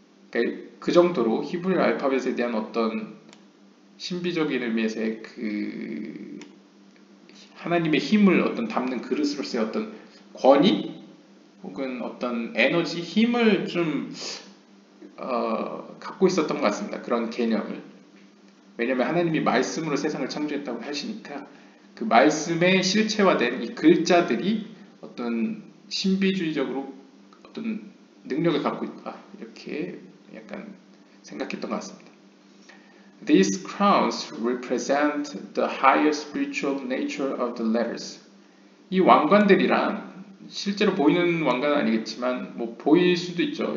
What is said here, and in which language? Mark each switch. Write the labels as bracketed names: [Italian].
[Korean] 그 정도로 히브리어 알파벳에 대한 어떤 신비적인 의미에서의 그 하나님의 힘을 어떤 담는 그릇으로서의 어떤 권위 혹은 어떤 에너지 힘을 좀 갖고 있었던 것 같습니다. 그런 개념을. 왜냐하면 하나님이 말씀으로 세상을 창조했다고 하시니까 그 말씀에 실체화된 이 글자들이 어떤 신비주의적으로 어떤 능력을 갖고 있다 이렇게 약간 생각했던 것 같습니다. [English] These crowns represent the higher spiritual nature of the letters. [Korean] 이 왕관들이란 실제로 보이는 왕관은 아니겠지만 뭐 보일 수도 있죠.